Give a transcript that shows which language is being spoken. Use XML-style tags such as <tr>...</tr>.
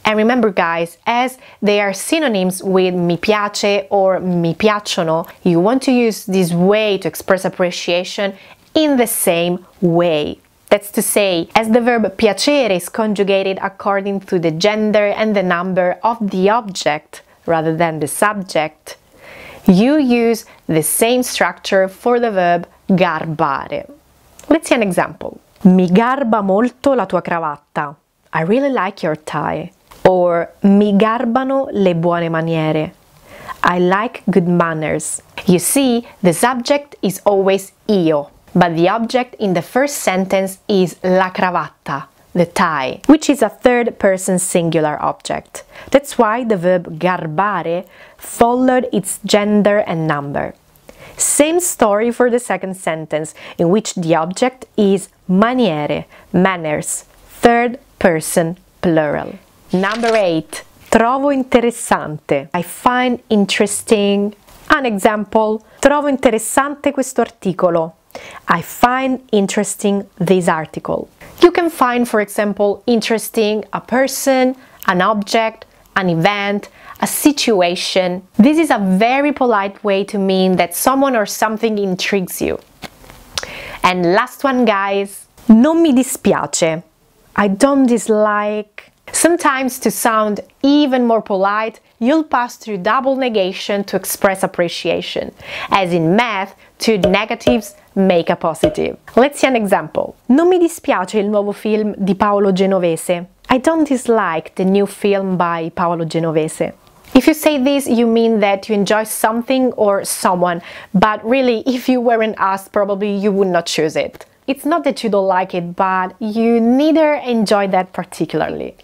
<en>And remember, guys, as they are synonyms with mi piace or mi piacciono, you want to use this way to express appreciation in the same way. That's to say, as the verb piacere is conjugated according to the gender and the number of the object rather than the subject, you use the same structure for the verb garbare. Let's see an example.</en> <it>Mi garba molto la tua cravatta.</it> <en>I really like your tie. Or</en> <it>mi garbano le buone maniere.</it> <en>I like good manners. You see, the subject is always io, but the object in the first sentence is la cravatta, the tie, which is a third person singular object. That's why the verb garbare followed its gender and number. Same story for the second sentence, in which the object is maniere, manners, third person plural. Number 8. Trovo interessante. I find interesting. An example.</en> <it>Trovo interessante questo articolo.</it> <en>I find interesting this article. You can find, for example, interesting a person, an object, an event, a situation. This is a very polite way to mean that someone or something intrigues you. And last one, guys, non mi dispiace. I don't dislike. Sometimes to sound even more polite, you'll pass through double negation to express appreciation. As in math, two negatives make a positive. Let's see an example.</en> <it>Non mi dispiace il nuovo film di Paolo Genovese.</it> <en>I don't dislike the new film by Paolo Genovese. If you say this, you mean that you enjoy something or someone, but really, if you weren't asked, probably you would not choose it. It's not that you don't like it, but you neither enjoy that particularly.</en>